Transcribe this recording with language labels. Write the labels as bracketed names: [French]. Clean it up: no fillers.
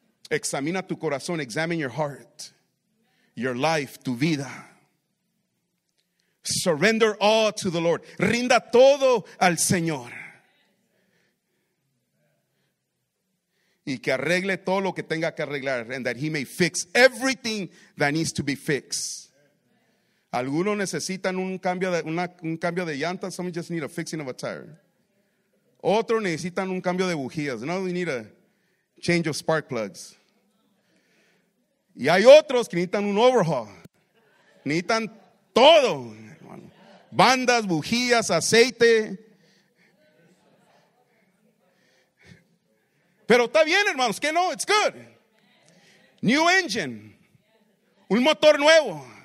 [Spanish] Examina tu corazón, [English] examine your heart, your life, [Spanish] tu vida. [English] Surrender all to the Lord. [Spanish] Rinda todo al Señor. Y que arregle todo lo que tenga que arreglar. [English] And that he may fix everything that needs to be fixed. [Spanish] Algunos necesitan un cambio de llantas. [English] Some just need a fixing of a tire. [Spanish] Otros necesitan un cambio de bujías. [English] No, we need a change of spark plugs. [Spanish] Y hay otros que necesitan un overhaul. Necesitan todo. Bandas, bujías, aceite. Pero está bien, hermanos, que no, [English] it's good. New engine. [Spanish] Un motor nuevo.